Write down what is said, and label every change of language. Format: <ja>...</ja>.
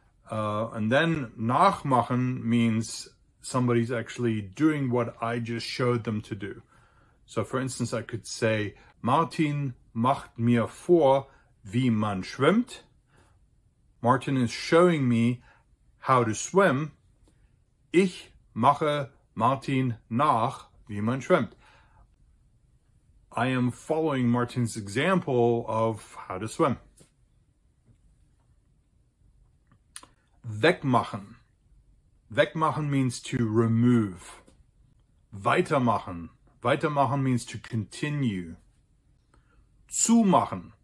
<en>And then nachmachen means somebody's actually doing what I just showed them to do. So for instance, I could say,</en> <de>Martin macht mir vor, wie man schwimmt.</de> <en>Martin is showing me how to swim.</en> <de>Ich mache Martin nach, wie man schwimmt.</de> <en>I am following Martin's example of how to swim. Wegmachen. Wegmachen means to remove. Weitermachen. Weitermachen means to continue. Zumachen.</en>